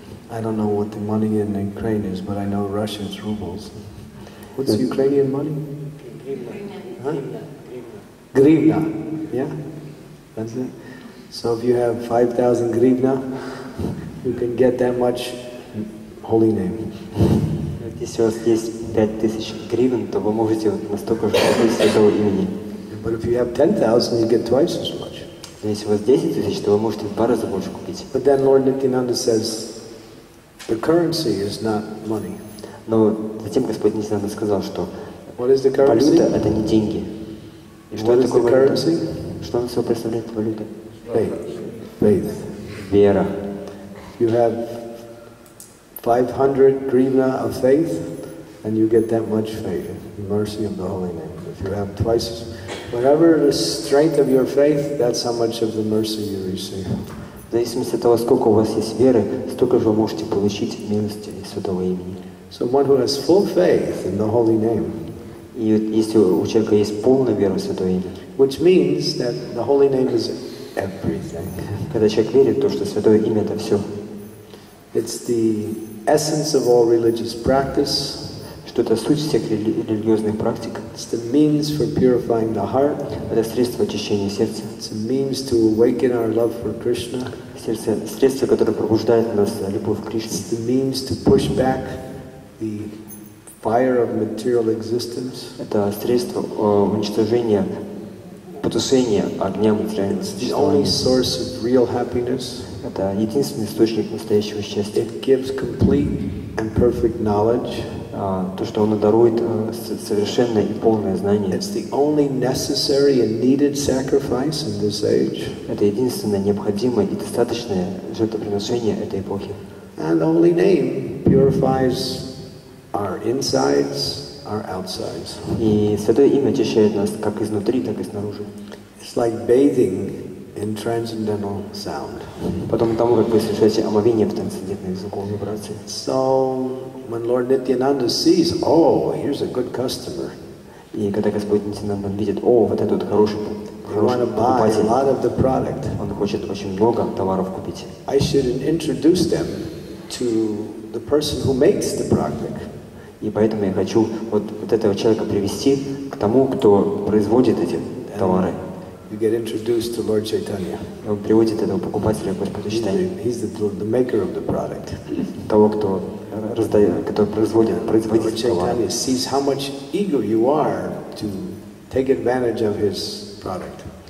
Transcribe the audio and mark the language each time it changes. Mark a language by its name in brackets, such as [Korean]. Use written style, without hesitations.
[English] I don't know what the money in Ukraine is, but I know Russia is rubles. What's the Ukrainian money? Grivna. Huh? Grivna. Yeah? That's it. So if you have 5,000 grivna, you can get that much holy name. [Russian] Если у вас есть 5,000 гривен, то вы можете настолько же купить святого имени. [English] But if you have 10,000, you get twice as much. [Russian] Но если у вас 10,000, то вы можете в два раза больше купить. [English] But then Lord Nityananda says, the currency is not money. [Russian] Но затем Господь Нитинанда сказал, что [English] what is the currency? [Russian] Валюта — это не деньги. И что такое валюта? Currency? Что она собой представляет валюта? [English] Faith. [Russian] Вера. [English] You have 500 grivna of faith, and you get that much faith, mercy of the Holy Name. If you have twice, whatever the strength of your faith, that's how much of the mercy you receive. [Russian] В зависимости от того, сколько у вас есть веры, столько же вы можете получить милости Святого Имени. [English] So one who has full faith in the Holy Name. [Russian] И если у человека есть полная вера в Святое Имя. [English] Which means that the Holy Name is everything. [Russian] Когда человек верит в то, что Святое Имя это все. [English] It's the essence of all religious practice. [Russian] Что это суть всех религиозных практик. [English] It's the means for purifying the heart. [Russian] Это средство очищения сердца. [English] It's a means to awaken our love for Krishna. [Russian] Средство, которое пробуждает в нас любовь к Кришне. [English] It's the means to push back the fire of material existence. [Russian] Это средство уничтожения, потушения огня материального существования. [English] It's the only source of real happiness. [Russian] Это единственный источник настоящего счастья. [English] It gives complete and perfect knowledge. [Russian] То, что оно дарует совершенное и полное знание. [English] It's the only necessary and needed sacrifice in this age. [Russian] Это единственное необходимое и достаточное жертвоприношение этой эпохи. [English] And the Holy Name purifies our insides, our outsides. [Russian] И Святое Имя очищает нас как изнутри, так и снаружи. [English] It's like bathing in transcendental sound. [Russian] Потом там вы слышите омовение в трансцендентной звуковой вибрации. [English] So when Lord Nityananda sees, oh, here's a good customer. [Russian] И когда Господь Нитянанда видит, о, вот этот хороший покупатель. [English] He wants to buy a lot of the product. [Russian] Он хочет очень много товаров купить. [English] I should introduce them to the person who makes the product. [Russian] И поэтому я хочу вот этого человека привести к тому, кто производит эти товары. [English] You get introduced to Lord Chaitanya. [Russian] Он приводит этого покупателя к Господу Чайтанье. [English] He's the maker of the product. [Russian] Того, кто раздает, который производит, производитель товара. [English] Lord Chaitanya sees how much eager you are to take advantage of his product.